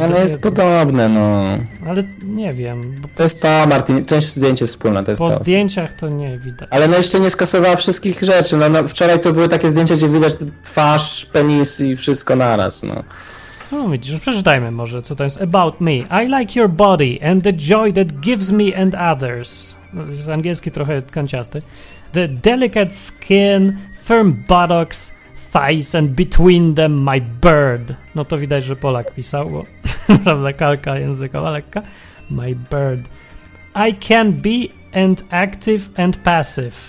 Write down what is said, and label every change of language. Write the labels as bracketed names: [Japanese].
[Polish] Ale jest podobne, no. Ale nie wiem. Bo to jest ta, Martin, część zdjęć jest wspólna. To jest po zdjęciach to nie widać. Ale no jeszcze nie skasowała wszystkich rzeczy. No, no wczoraj to były takie zdjęcia, gdzie widać twarz, penis i wszystko naraz, no. No widzisz, przeczytajmy może, co to jest. [English] About me. I like your body and the joy that gives me and others. [Polish] Z angielski trochę kanciasty. [English] The delicate skin, firm buttocks, face and between them my bird. [Polish] No to widać, że Polak pisał, bo prawda, kalka językowa lekka. [English] My bird. I can be and active and passive.